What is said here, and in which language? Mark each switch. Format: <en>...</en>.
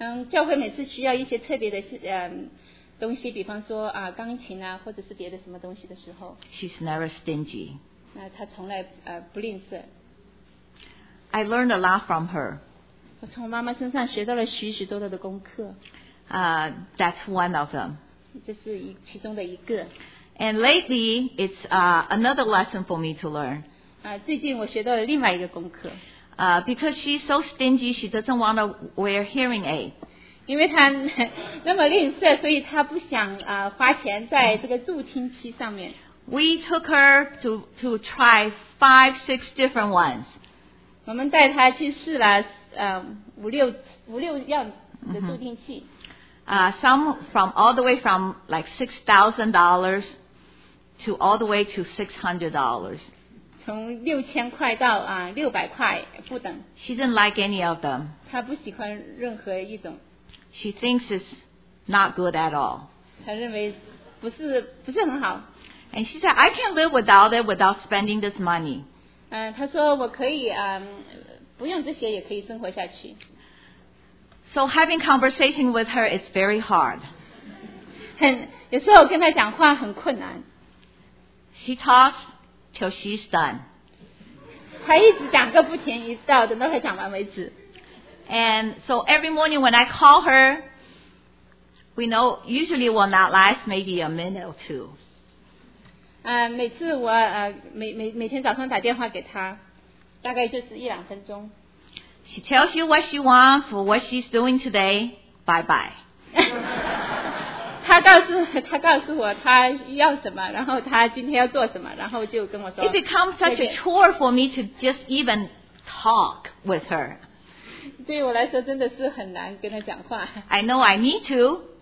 <zh>教会每次需要一些特别的东西，比方说钢琴啊，或者是别的什么东西的时候。</zh> <en>She's never stingy.</en> <zh>她从来不吝啬。</zh> <en>I learned a lot from her.</en> <zh>我从妈妈身上学到了许许多多的功课。</zh> <en>That's one of them.</en> <zh>这是其中的一个。</zh> <en>And lately, it's another lesson for me to learn.</en> <zh>最近我学到了另外一个功课。</zh> <en>Because she's so stingy, she doesn't want to wear hearing aid.</en> <zh>因为她那么吝啬，所以她不想花钱在这个助听器上面。</zh> <en>We took her to try 5-6 different ones.</en> <zh>我们带她去试了五六样的助听器。</zh> <en>Some from all the way from like $6,000 to all the way to $600.</en> <zh>从六千块到六百块不等。</zh> <en>She didn't like any of them.</en> <zh>她不喜欢任何一种。</zh> <en>She thinks it's not good at all.</en> <zh>她认为不是很好。</zh> <en>And she said, I can live without it without spending this money.</en> <zh>她说我可以不用这些也可以生活下去。</zh> <en>So having conversation with her is very hard.</en> <zh>有时候跟她讲话很困难。</zh> <en>She talks till she's done.</en> <zh>她一直讲个不停，一直到等到她讲完为止。</zh> <en>And so every morning when I call her, we know usually will not last maybe a minute or two.</en> <zh>每次我每天早上打电话给她，大概就是一两分钟。</zh> <en>She tells you what she wants or what she's doing today. Bye bye.</en> <zh>她告诉我她要什么，然后她今天要做什么，然后就跟我说。</zh> <en>It becomes such a chore for me to just even talk with her.</en> <zh>对我来说真的是很难跟她讲话。</zh> <en>I know I need to.</en>